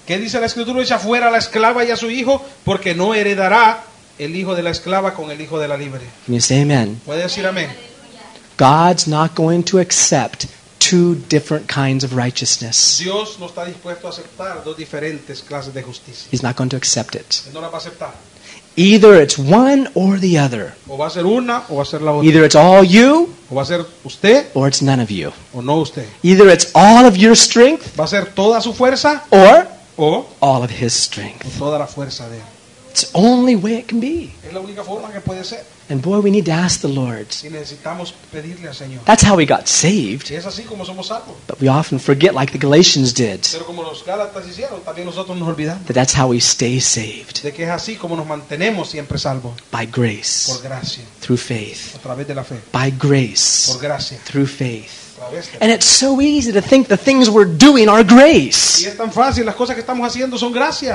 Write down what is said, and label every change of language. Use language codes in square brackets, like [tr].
[es] ¿Qué dice la escritura? Echa fuera a la esclava y a su hijo, porque no heredará el hijo de la esclava con el hijo de la libre. [en] Can you say amen? [es] ¿Puede decir amén? [en] God's not going to accept two different kinds of righteousness. [es] Dios no está dispuesto a aceptar dos diferentes clases de justicia. [en] He's not going to accept it. [es] Él no la va a aceptar. [en] Either it's one or the other. [es] O va a ser una o va a ser la otra. [en] Either it's all you. [es] O va a ser usted. [en] Or it's none of you. [es] O no usted. [en] Either it's all of your strength. [es] Va a ser toda su fuerza. [en] Or all of his strength. [es] O toda la fuerza de él. [en] It's the only way it can be. [es] Es la única forma que puede ser. [en] And boy, we need to ask the Lord. [es] Y necesitamos pedirle al Señor. [en] That's how we got saved. [es] Y es así como somos salvos. [en] But we often forget, like the Galatians did, [es] pero como los Gálatas hicieron, también nosotros nos olvidamos, [en] that that's how we stay saved. [es] De que es así como nos mantenemos siempre salvos. [en] By grace. [es] Por gracia. [en] Through faith. [es] A través de la fe. [en] By grace. [es] Por gracia. [en] Through faith. And it's so easy to think the things we're doing are grace. [es] Y es tan fácil, las cosas que estamos haciendo son gracia.